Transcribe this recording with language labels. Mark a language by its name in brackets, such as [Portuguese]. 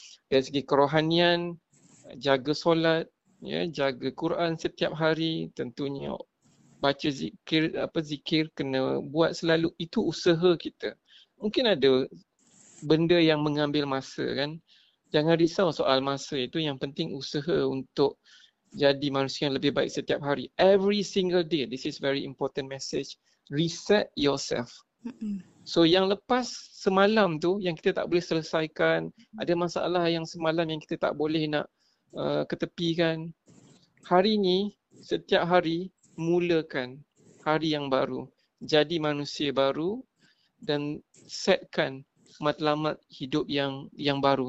[Malay] Dari segi kerohanian, jaga solat, ya, jaga Quran setiap hari tentunya. Baca zikir, apa zikir kena buat selalu, itu usaha kita. Mungkin ada benda yang mengambil masa kan. Jangan risau soal masa itu, yang penting usaha untuk jadi manusia yang lebih baik setiap hari. [English] Every single day, this is very important message. Reset yourself. [Malay] So yang lepas semalam tu yang kita tak boleh selesaikan, ada masalah yang semalam yang kita tak boleh nak ketepikan. Hari ni, setiap hari, mulakan hari yang baru. Jadi manusia baru dan setkan matlamat hidup yang baru.